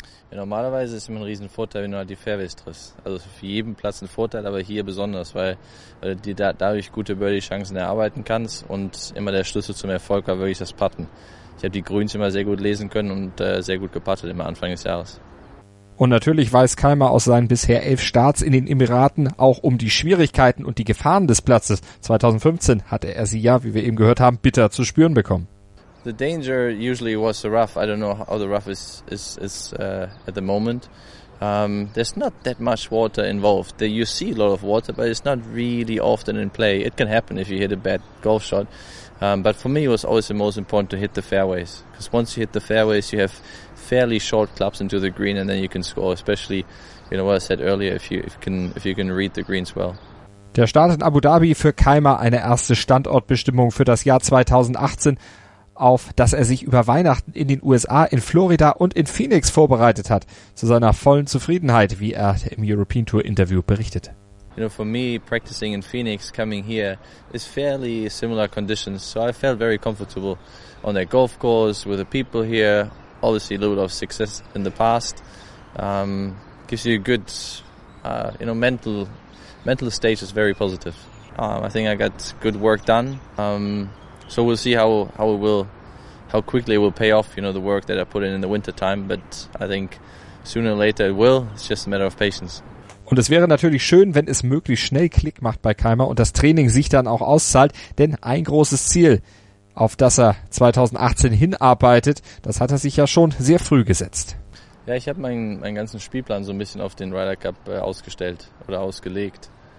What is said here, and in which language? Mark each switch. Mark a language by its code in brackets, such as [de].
[de] Ja, normalerweise ist es immer ein Riesenvorteil, wenn du halt die Fairways triffst. Also für jeden Platz ein Vorteil, aber hier besonders, weil du dir dadurch gute Birdie-Chancen erarbeiten kannst und immer der Schlüssel zum Erfolg war wirklich das Putten. Ich habe die Grüns immer sehr gut lesen können und sehr gut geputtet immer Anfang des Jahres. Und natürlich weiß Keimer aus seinen bisher 11 Starts in den Emiraten auch um die Schwierigkeiten und die Gefahren des Platzes. 2015 hatte er sie ja, wie wir eben gehört haben, bitter zu spüren bekommen. [en] The danger usually was the rough. I don't know how the rough is at the moment. There's not that much water involved. You see a lot of water, but it's not really often in play. It can happen if you hit a bad golf shot. But for me, it was always the most important to hit the fairways. Because once you hit the fairways, you have fairly short clubs into the green, and then you can score. Especially, you know what I said earlier, if you can read the greens well. [de] Der Start in Abu Dhabi für Keimer eine erste Standortbestimmung für das Jahr 2018. Auf dass er sich über Weihnachten in den USA, in Florida und in Phoenix vorbereitet hat, zu seiner vollen Zufriedenheit, wie er im European Tour Interview berichtet. [en] You know, for me, practicing in Phoenix, coming here, is fairly similar conditions. So I felt very comfortable on that golf course, with the people here, obviously a little bit of success in the past. Gives you a good, mental state is very positive. I think I got good work done. So we'll see how quickly it will pay off, you know, the work that I put in the winter time, but I think sooner or later it will. It's just a matter of patience. [de] Und es wäre natürlich schön, wenn es möglichst schnell Klick macht bei Keimer und das Training sich dann auch auszahlt, denn ein großes Ziel, auf das er 2018 hinarbeitet, das hat er sich ja schon sehr früh gesetzt. Ja, ich habe meinen ganzen Spielplan so ein bisschen auf den Ryder Cup ausgestellt oder ausgelegt.